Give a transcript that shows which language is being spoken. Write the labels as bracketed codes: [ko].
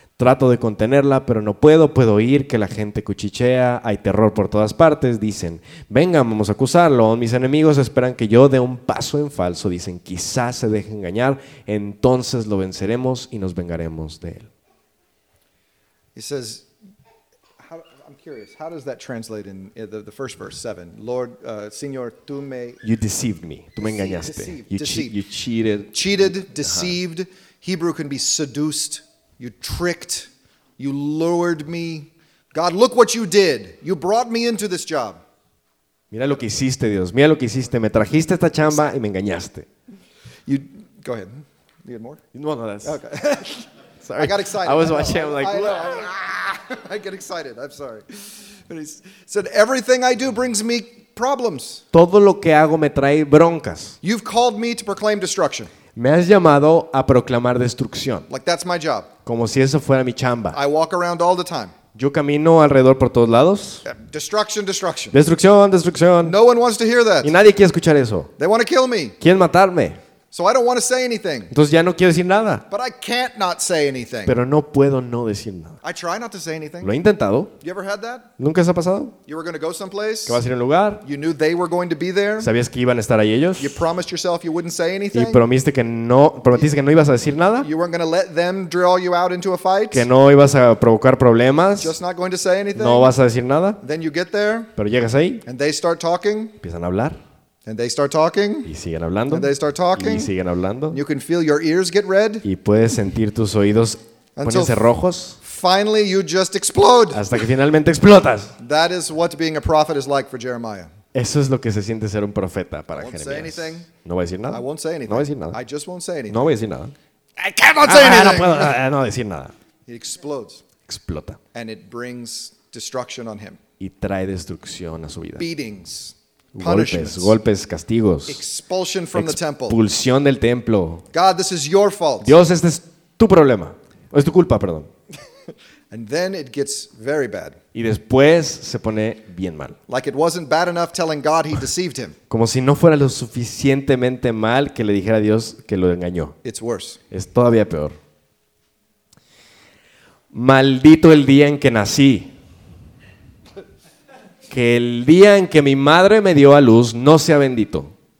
[es] Trato de contenerla, pero no puedo. Puedo oír que la gente cuchichea. Hay terror por todas partes. Dicen, venga, vamos a acusarlo. Mis enemigos esperan que yo dé un paso en falso. Dicen, quizás se deje engañar. Entonces lo venceremos y nos vengaremos de él. [en] He says, I'm curious, how does that translate in the first verse, 7? [es] Lord, Señor, tú me... [en] You deceived me. [es] Tú me engañaste. [en] Deceived. You cheated. Cheated, deceived. Uh-huh. Hebrew can be seduced. You tricked, you lured me. God, look what you did. You brought me into this job. [es] Mira lo que hiciste, Dios. Mira lo que hiciste. Me trajiste esta chamba y me engañaste. [en] You go ahead. You got more? No, that's okay. Sorry. I got excited. I was watching. I'm like, I get excited. I'm sorry. But he said, everything I do brings me problems. [es] Todo lo que hago me trae broncas. [en] You've called me to proclaim destruction. [es] Me has llamado a proclamar destrucción. [en] Like that's my job. [es] Como si eso fuera mi chamba. [en] I walk around all the time. [es] Yo camino alrededor por todos lados. [en] Destruction, destruction. [es] Destrucción, destrucción. [en] No one wants to hear that. [es] Y nadie quiere escuchar eso. [en] They want to kill me. [es] Quieren matarme. [en] So I don't want to say anything. [es] Entonces ya no quiero decir nada. [en] But I can't not say anything. [es] Pero no puedo no decir nada. [en] I try not to say anything. [es] Lo he intentado. [en] You ever had that? [es] ¿Nunca se ha pasado? [en] You were going to go someplace. [es] Que vas a ir a un lugar. [en] You knew they were going to be there. [es] Sabías que iban a estar ahí ellos. [en] You promised yourself you wouldn't say anything. [es] Y prometiste que no ibas a decir nada. [en] You weren't going to let them draw you out into a fight. [es] Que no ibas a provocar problemas. [en] Just not going to say anything. [es] No vas a decir nada. [en] Then you get there. [es] Pero llegas ahí. [en] And they start talking. [es] Empiezan a hablar. [en] And they start talking. [es] Y siguen hablando. [en] And they start talking. [es] Y siguen hablando. [en] You can feel your ears get red. [es] Y puedes sentir tus oídos ponerse rojos. [en] Finally, you just explode. [es] Hasta que finalmente explotas. [en] That is what being a prophet is like for Jeremiah. [es] Eso es lo que se siente ser un profeta para [en] Jeremías. I won't say anything. [es] No voy a decir nada. [en] I won't say anything. [es] No voy a decir nada. [en] I just won't say anything. [es] No voy a decir nada. [en] I cannot say anything. [es] No puedo. No decir nada. [en] It explodes. [es] Explota. [en] And it brings destruction on him. [es] Y trae destrucción a su vida. [en] Beatings. [es] Golpes, castigos. [en] Expulsion from the temple. [es] Expulsión del templo. [en] God, this is your fault. [es] Dios, este es tu problema. O es tu culpa, perdón. [en] And then it gets very bad. [es] Y después se pone bien mal. [en] Like it wasn't bad enough telling God he deceived him. [es] Como si no fuera lo suficientemente mal que le dijera a Dios que lo engañó. [en] It's worse. [es] Es todavía peor. Maldito el día en que nací. Que el día en que mi madre me dio a luz no sea bendito.